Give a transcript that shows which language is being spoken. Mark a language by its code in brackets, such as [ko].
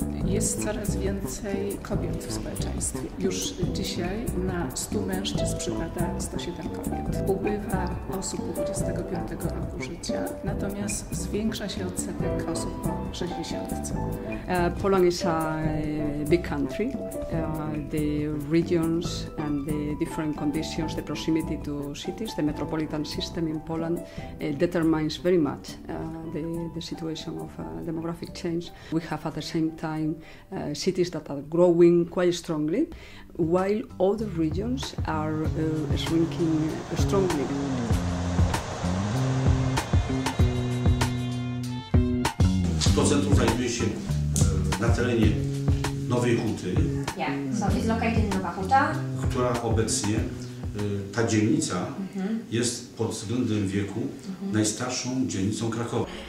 [pl] Jest coraz więcej kobiet w społeczeństwie. Już dzisiaj na 100 mężczyzn przypada 107 kobiet. Ubywa osób po 25 roku życia, natomiast zwiększa się odsetek osób po 60. [en] Poland is a big country. The regions and the different conditions, the proximity to cities, the metropolitan system in Poland determines very much the situation of demographic change. We have at the same time cities that are growing quite strongly, while other regions are shrinking strongly. [pl] to centrum znajduje się na terenie Nowej Huty. [en] Yeah, so it's located in Nowa Huta. [pl] Która obecnie, ta dzielnica jest pod względem wieku najstarszą dzielnicą Krakowa.